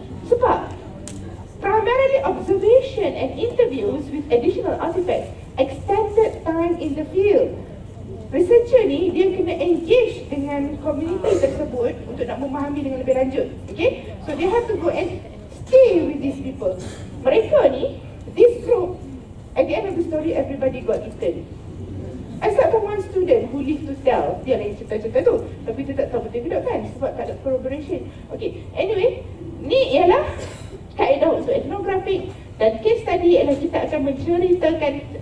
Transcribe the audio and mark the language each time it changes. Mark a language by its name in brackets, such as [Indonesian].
[Malay] Sebab [English] primarily observation and interviews with additional artifacts, extended time in the field. [Malay] Researcher ni, dia kena engage dengan komuniti tersebut untuk nak memahami dengan lebih lanjut. [English] Okay? So, they have to go and stay with these people. [Malay] Mereka ni, [English] this group, at the end of the story, everybody got eaten. Except for one student who lived to tell. [Malay] Dia lah yang cerita-cerita tu. Tapi dia tak tahu betul-betul kan? Sebab tak ada corroboration. Okay. Anyway, ni ialah kaedah untuk ethnographic. Dan case study ialah kita akan menceritakan.